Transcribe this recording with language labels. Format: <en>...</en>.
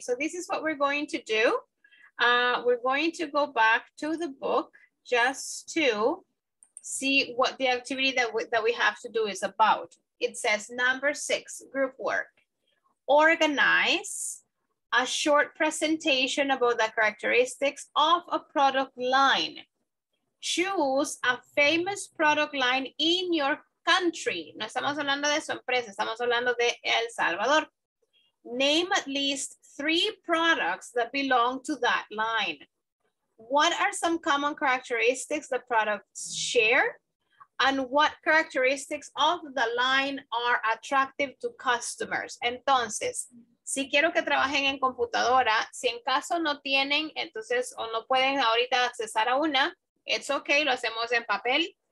<en>So this is what we're going to do. We're going to go back to the book just to see what the activity that we have to do is about. It says number six, group work. Organize a short presentation about the characteristics of a product line. Choose a famous product line in your country.</en> <es>No estamos hablando de su empresa, estamos hablando de El Salvador.</es> <en>Name at least three products that belong to that line. What are some common characteristics the products share? And what characteristics of the line are attractive to customers?</en> <es>Entonces, si quiero que trabajen en computadora, si en caso no tienen, entonces, o no pueden ahorita accesar a una,</es> <en>it's okay,</en> <es>lo hacemos en papel.</es>